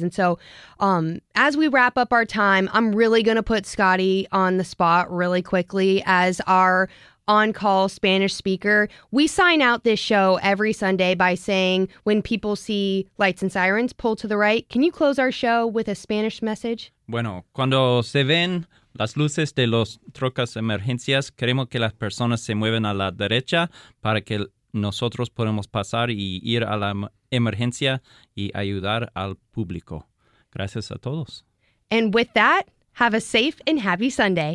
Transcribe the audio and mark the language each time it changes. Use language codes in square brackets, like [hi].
[en] And so as we wrap up our time, I'm really going to put Scotty on the spot really quickly as our on-call Spanish speaker. We sign out this show every Sunday by saying, when people see lights and sirens, pull to the right. Can you close our show with a Spanish message? [es] Bueno, cuando se ven las luces de los trocas emergencias, queremos que las personas se muevan a la derecha para que nosotros podemos pasar y ir a la emergencia y ayudar al público. Gracias a todos. [en] And with that, have a safe and happy Sunday.